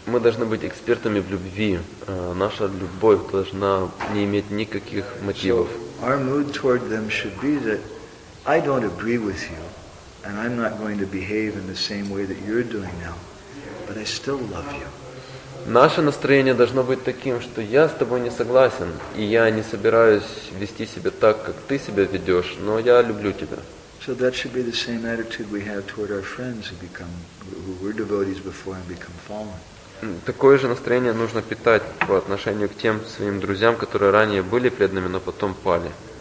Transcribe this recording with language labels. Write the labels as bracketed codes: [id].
[ru] Мы должны быть экспертами в любви. Наша любовь должна не иметь никаких мотивов. [en] Our mood toward them should be that I don't agree with you, and I'm not going to behave in the same way that you're doing now, but I still love you. [ru] Наше настроение должно быть таким, что я с тобой не согласен, и я не собираюсь вести себя так, как ты себя ведешь, но я люблю тебя. [en] So that should be the same attitude we have toward our friends who were devotees before and become fallen. [ru] Такое же настроение нужно питать по отношению к тем своим друзьям, которые ранее были преданными, но потом пали.